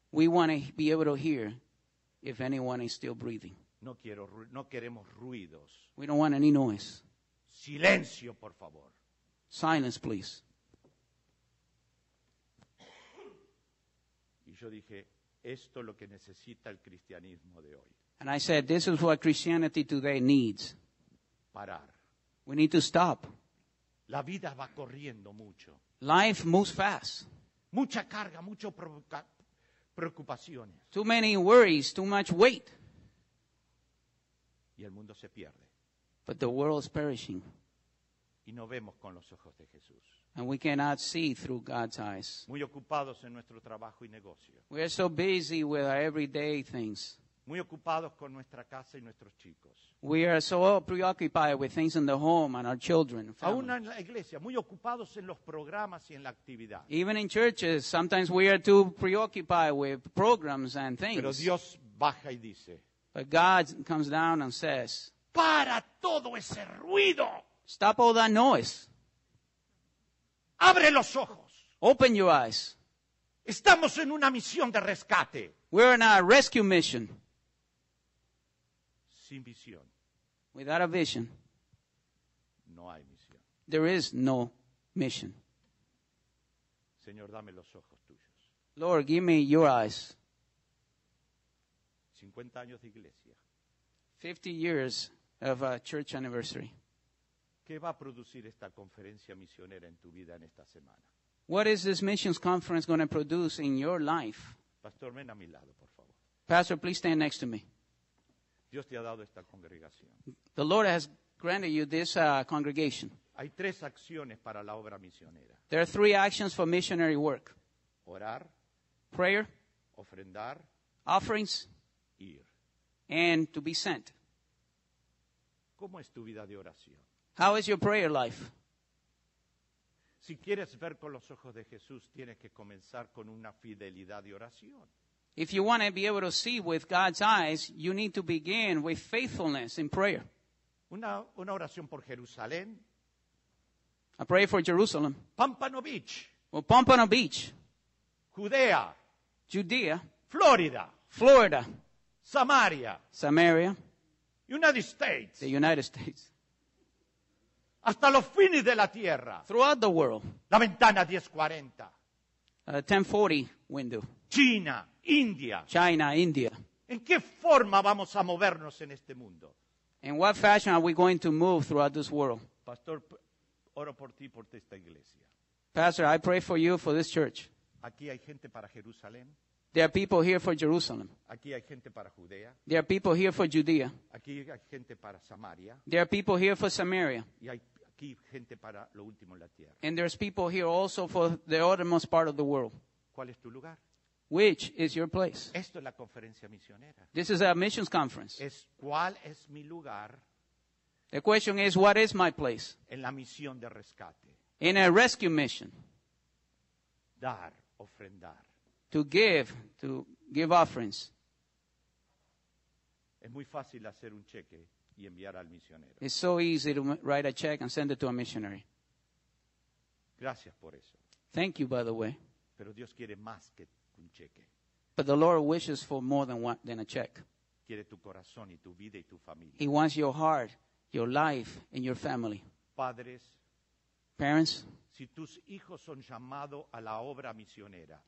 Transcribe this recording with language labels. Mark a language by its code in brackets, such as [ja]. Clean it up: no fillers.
[en] We want to be able to hear if anyone is still breathing. [es] No queremos ruidos. [en] We don't want any noise. [es] Silencio, por favor. [en] Silence, please. [es] Y yo dije, esto es lo que necesita el cristianismo de hoy. [en] And I said, this is what Christianity today needs. [es] Parar. [en] We need to stop. [es] La vida va corriendo mucho. [en] Life moves fast. [es] Mucha carga, mucho preocupaciones. [en] Too many worries, too much weight. [es] Y el mundo se pierde. [en] But the world is perishing. [es] Y no vemos con los ojos de Jesús. [en] And we cannot see through God's eyes. [es] Muy ocupados en nuestro trabajo y negocio. [en] We are so busy with our everyday things. [es] Muy ocupados con nuestra casa y nuestros chicos. [en] We are so preoccupied with things in the home and our children. [es] Aún en la iglesia, muy ocupados en los programas y en la actividad. [en] Even in churches, sometimes we are too preoccupied with programs and things. [es] Pero Dios baja y dice. [en] But God comes down and says, [es] para todo ese ruido. [en] Stop all that noise. [es] Abre los ojos. [en] Open your eyes. [es] Estamos en una misión de rescate. [en] We're in a rescue mission. [es] Sin visión. [en] Without a vision. [es] No hay misión. [en] There is no mission. [es] Señor, dame los ojos tuyos. [en] Lord, give me your eyes. [es] 50 años de iglesia. [en] 50 years of a church anniversary. [es] ¿Qué va a producir esta conferencia misionera en tu vida en esta semana? [en] What is this missions conference going to produce in your life? [es] Pastor, ven a mi lado, por favor. [en] Pastor, please stand next to me. [es] Dios te ha dado esta congregación. [en] The Lord has granted you this congregation. [es] Hay tres acciones para la obra misionera. [en] There are three actions for missionary work. [es] Orar. [en] Prayer. [es] Ofrendar. [en] Offerings. [es] Ir. [en] And to be sent. [es] ¿Cómo es tu vida de oración? [en] How is your prayer life? [es] Si quieres ver con los ojos de Jesús, tienes que comenzar con una fidelidad de oración. [en] If you want to be able to see with God's eyes, you need to begin with faithfulness in prayer. [es] Una oración por Jerusalén. [en] A prayer for Jerusalem. Pompano Beach. Well, Pompano Beach. Judea. Judea. Florida. Florida. Samaria. Samaria. United States. The United States. [es] Hasta los fines de la tierra. [en] Throughout the world. [es] La ventana 1040. [en] 1040 window. China, India. China, India. [es] ¿En qué forma vamos a movernos en este mundo? [en] In what fashion are we going to move throughout this world? [es] Pastor, oro por ti, por esta iglesia. [en] Pastor, I pray for you, for this church. [es] Aquí hay gente para Jerusalén. [en] There are people here for Jerusalem. [es] Aquí hay gente para Judea. [en] There are people here for Judea. [es] Aquí hay gente para Samaria. [en] There are people here for Samaria. [es] Y hay aquí gente para lo último en la tierra. [en] And there's people here also for the uttermost part of the world. [es] ¿Cuál es tu lugar? [en] Which is your place? [es] Esto es la conferencia misionera. [en] This is a missions conference. [es] Es, ¿cuál es mi lugar? [en] The question is, what is my place? [es] En la misión de rescate. [en] In a rescue mission. [es] Dar, ofrendar. [en] To give offerings. [es] Es muy fácil hacer un cheque y enviar al misionero. [en] It's so easy to write a check and send it to a missionary. [es] Gracias por eso. [en] Thank you, by the way. [es] Pero Dios quiere más que un cheque. [en] But the Lord wishes for more than a check. [es] Quiere tu corazón y tu vida y tu familia. [en] He wants your heart, your life, and your family. [es] Padres. [en] Parents. [es] Si tus hijos son llamados a la obra misionera,